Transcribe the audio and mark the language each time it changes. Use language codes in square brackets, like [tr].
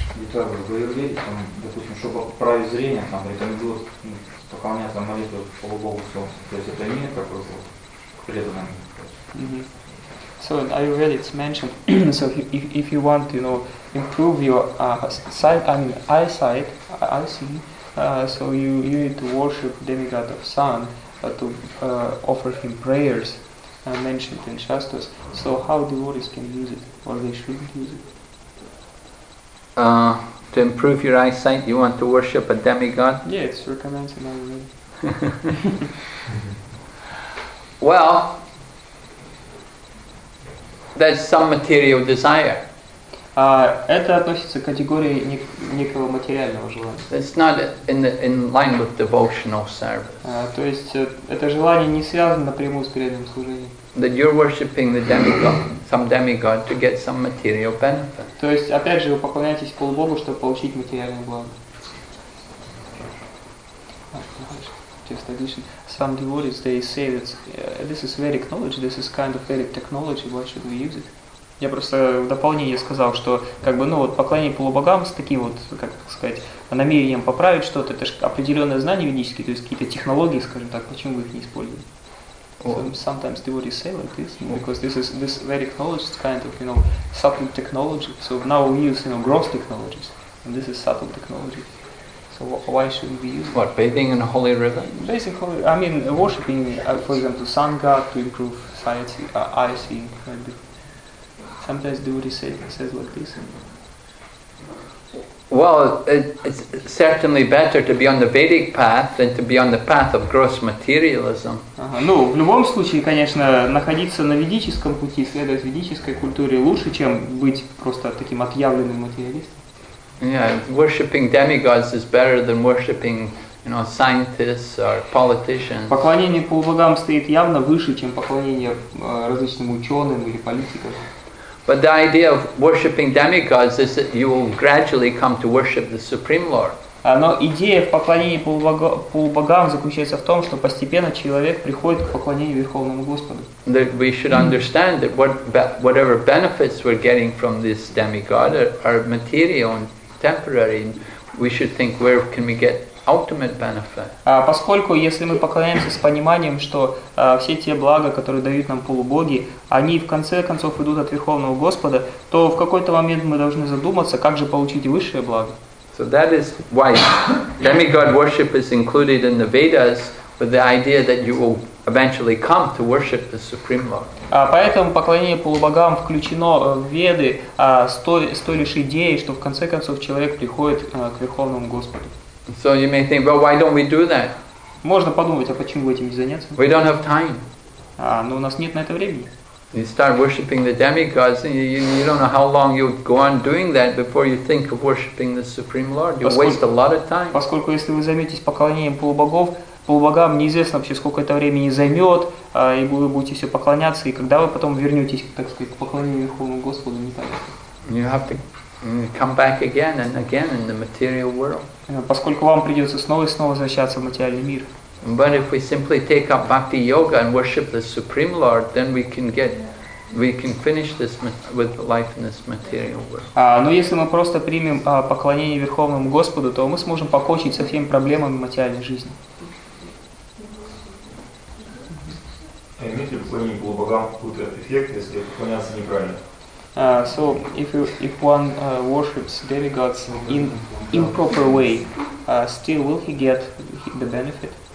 [ru] Допустим, чтобы править зрение, там рекомендуют поклоняться молитве полубогу Солнца. То есть это имеет какой-то преданный. [en] So in Ayurveda it's mentioned. So if you want, you know, improve your eyesight, I see. So you need to worship demigod of sun to offer him prayers mentioned in Shastras. So how devotees can use it, or they should use it? To improve your eyesight, you want to worship a demigod? Yeah, it's recommended in Ayurveda. Well, that's some material desire. [ru] Это относится к категории некого материального желания. [en] It's not in line with devotional service. [ru] То есть это желание не связано напрямую с преданным служением. [en] That you're worshipping the demigod, some demigod to get some material benefit. [ru] То есть опять же вы поклоняетесь полубогу, чтобы получить материальное благо. [en] Just addition. Some devotees, they say that this is Vedic knowledge, this is kind of Vedic technology, why should we use it? [ru] Я просто в дополнение сказал, что как бы, ну вот поклонение полубогам с таким вот, как сказать, намерением поправить что-то, это же определенное знание ведическое, то есть какие-то технологии, скажем так, почему вы их не используете? [en] Sometimes devotees say like this, because this Vedic knowledge is kind of, you know, subtle technology. So now we use, you know, gross technologies, and this is subtle technology. So why shouldn't we use it? What, bathing in a holy river? Basically, I mean, worshipping, for example, sun god to improve sight, eye seeing, kind of. Sometimes devotees says like this. Well, it's certainly better to be on the Vedic path than to be on the path of gross materialism. [ru] Ну, в любом случае, конечно, находиться на ведическом пути, следовать ведической культуре лучше, чем быть просто таким отъявленным материалистом. [en] Yeah, worshipping demigods is better than worshipping, you know, scientists or politicians. [ru] Поклонение полубогам стоит явно выше, чем поклонение различным ученым или политикам. [en] But the idea of worshipping demigods is that you will gradually come to worship the Supreme Lord. [ru] Но идея в поклонении полубогам заключается в том, что постепенно человек приходит к поклонению Верховному Господу. [en] That we should understand that whatever benefits we're getting from this demigod are material and temporary. We should think, where can we get ultimate benefit? [ru] Поскольку если мы поклоняемся с пониманием, что все те блага, которые дают нам полубоги, они в конце концов идут от Верховного Господа, то в какой-то момент мы должны задуматься, как же получить высшее благо. [en] So that is why demigod worship is included in the Vedas with the idea that you will eventually come to worship the Supreme Lord. [ru] Поэтому поклонение полубогам включено в Веды с той лишь идеей, что в конце концов человек приходит к Верховному Господу. [en] So you may think, well, why don't we do that? [ru] Можно подумать, а почему этим не заняться? [en] We don't have time. [ru] Но у нас нет на это времени. [en] You start worshiping the demigods, and you don't know how long you'll go on doing that before you think of worshiping the Supreme Lord. You waste a lot of time. [ru] Поскольку если вы займетесь поклонением полубогов, полубогам неизвестно вообще, сколько это времени займет, и вы будете все поклоняться, и когда вы потом вернетесь, так сказать, к поклонению Верховному Господу, не так. [en] You have to come back again and again in the material world. [ru] Поскольку вам придется снова и снова возвращаться в материальный мир. [en] But if we simply take up bhakti yoga and worship the Supreme Lord, then we can finish this with life in this material world. [ru] Но если мы просто примем поклонение Верховному Господу, то мы сможем покончить со всеми проблемами материальной жизни. Имеет ли поклонение полубогам какой-то эффект, если поклоняться неправильно? [en] So if one worships demigods in improper way, still will he get the benefit?